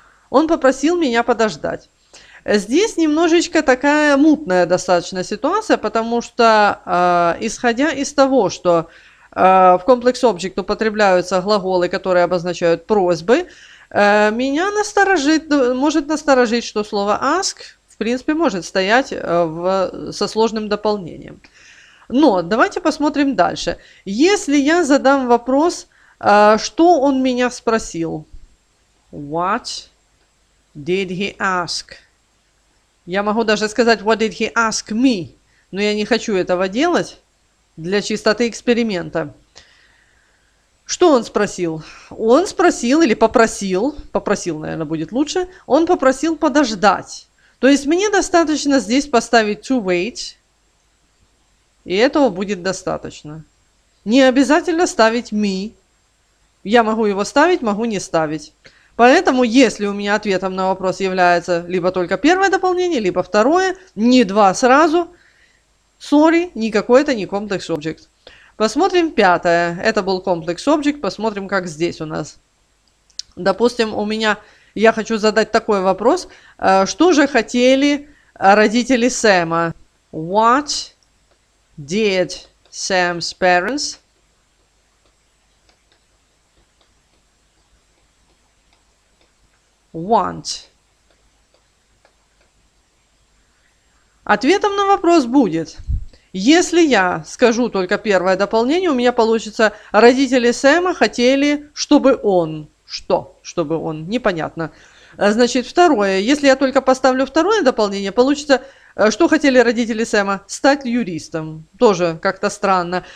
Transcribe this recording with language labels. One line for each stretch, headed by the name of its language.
Russian: Он попросил меня подождать. Здесь немножечко такая мутная достаточно ситуация, потому что исходя из того, что в complex object употребляются глаголы, которые обозначают просьбы, меня насторожит, может насторожить, что слово ask, в принципе, может стоять со сложным дополнением. Но давайте посмотрим дальше. Если я задам вопрос, что он меня спросил?
English: What did he ask? Я могу даже сказать, what did he ask me?
Russian: Но я не хочу этого делать для чистоты эксперимента. Что он спросил? Он спросил или попросил, попросил, наверное, будет лучше, он попросил подождать. То есть мне достаточно здесь поставить
English: to wait,
Russian: и этого будет достаточно. Не обязательно ставить me. Я могу его ставить, могу не ставить. Поэтому, если у меня ответом на вопрос является либо только первое дополнение, либо второе, не два сразу, sorry, не какой-то, не complex object. Посмотрим пятое. Это был complex object. Посмотрим, как здесь у нас. Допустим, у меня, я хочу задать такой вопрос. Что же хотели родители Сэма?
English: What did Sam's parents want?
Russian: Ответом на вопрос будет, если я скажу только первое дополнение, у меня получится, родители Сэма хотели, чтобы он, что, чтобы он, непонятно. Значит, второе, если я только поставлю второе дополнение, получится, что хотели родители Сэма, стать юристом, тоже как-то странно.